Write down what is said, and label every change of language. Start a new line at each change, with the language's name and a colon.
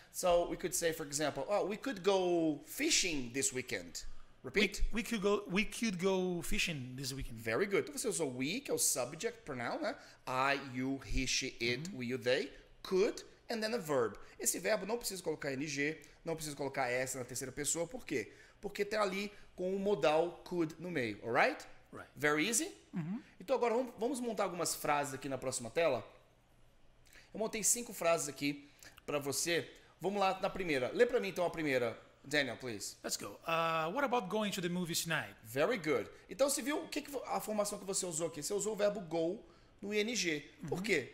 English: So we could say, for example, oh, we could go fishing this weekend. Repeat. We could go fishing this weekend. Very good.
Portuguese: Então você usou we, que é o subject pronoun, né?
English: I, you, he, she, it, uh-huh, we, you, they, could, and then a verb.
Portuguese: Esse verbo não precisa colocar ng, não precisa colocar s na terceira pessoa. Por quê? Porque tá ali com o modal could no meio, alright?
English: Right. Very easy? Uh-huh.
Portuguese: Então agora vamos montar algumas frases aqui na próxima tela. Eu montei 5 frases aqui para você. Vamos lá na primeira. Lê para mim então a primeira. Daniel, please.
English: Let's go. What about going to the movies tonight? Very good.
Portuguese: Então, você viu que a formação que você usou aqui? Você usou o verbo go no ing. Por quê?